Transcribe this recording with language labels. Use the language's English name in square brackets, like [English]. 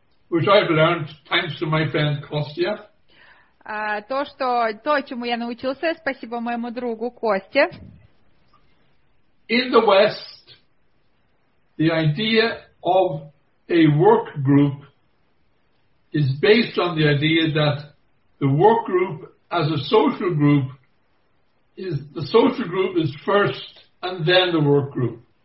[English] Which I've learned thanks to my friend Kostya. [Russian] То, чему я научился, спасибо моему другу Косте. [English] In the West, the idea of a work group is based on the idea that the work group as a social group is the social group is first and then the work group.